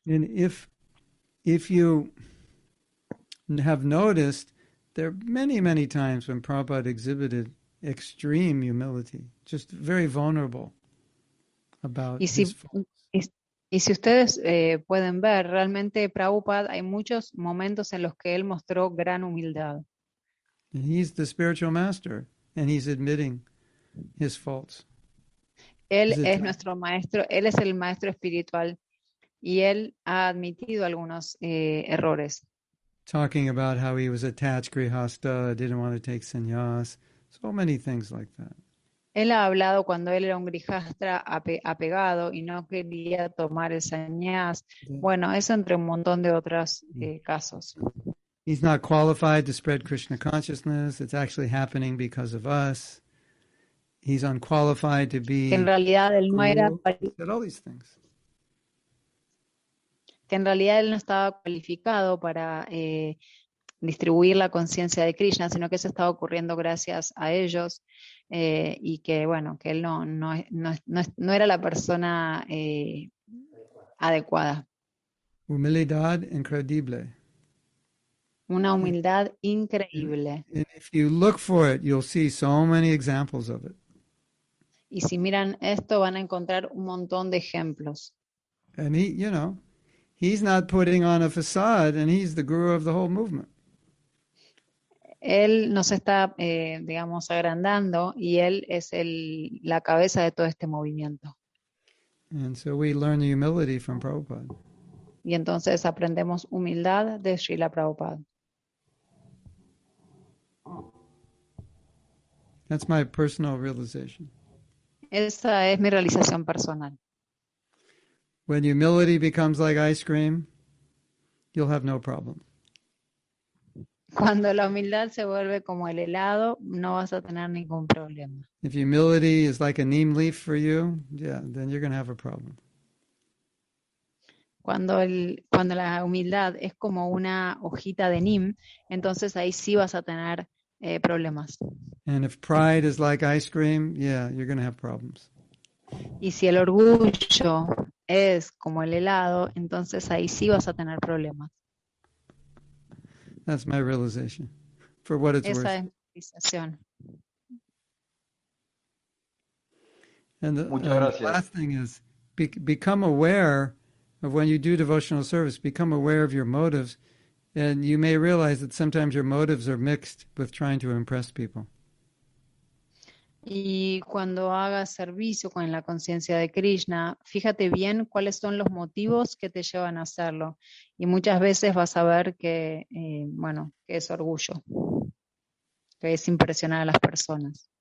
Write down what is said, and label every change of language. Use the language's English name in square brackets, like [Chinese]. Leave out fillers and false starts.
[English] And if you have noticed, there are many, many times when Prabhupada exhibited extreme humility, just very vulnerable about his faults. [Spanish] Y si ustedes pueden ver, realmente Prabhupada, hay muchos momentos en los que él mostró gran humildad. [English] And he's the spiritual master, and he's admitting his faults. [Spanish] Él es nuestro maestro, él es el maestro espiritual, y él ha admitido algunos errores. [English] Talking about how he was attached grihastha, didn't want to take sannyas, so many things like that. [Spanish] Él ha hablado cuando él era un grihastra apegado y no quería tomar el sannyas. Bueno, eso entre un montón de otros casos. [English] He's not qualified to spread Krishna consciousness. It's actually happening because of us. He's unqualified to be. [Spanish] En realidad, él no era. [English] Said all these things. [Spanish] Que en realidad él no estaba cualificado para distribuir la conciencia de Krishna, sino que eso estaba ocurriendo gracias a ellos y que bueno, que él no era la persona adecuada. Humildad increíble. Una humildad increíble. [English] And if you look for it, you'll see so many examples of it. [Spanish] Y si miran esto, van a encontrar un montón de ejemplos. [English] And he, you know, he's not putting on a facade, and he's the guru of the whole movement. [Spanish] Él no se está, digamos, agrandando, y él es la cabeza de todo este movimiento. [English] And so we learn the humility from Prabhupada. [Spanish] Y entonces aprendemos humildad de Srila Prabhupada. [English] That's my personal realization. [Spanish] Esa es mi realización personal. [English] When humility becomes like ice cream, you'll have no problem. [Spanish] Cuando la humildad se vuelve como el helado, no vas a tener ningún problema. [English] If humility is like a neem leaf for you, yeah, then you're going to have a problem. [Spanish] Cuando la humildad es como una hojita de neem, entonces ahí sí vas a tener problemas. [English] And if pride is like ice cream, yeah, you're going to have problems. [Spanish] Y si el orgullo es como el helado, entonces ahí sí vas a tener problemas. [English] That's my realization, for what it's [Spanish] Esa [English] worth. [Spanish] Esa es mi realización. [English] And the last thing is, become aware of when you do devotional service, become aware of your motives, and you may realize that sometimes your motives are mixed with trying to impress people. [Spanish] Y cuando hagas servicio con la conciencia de Krishna, fíjate bien cuáles son los motivos que te llevan a hacerlo. Y muchas veces vas a ver que, bueno, que es orgullo, que es impresionar a las personas.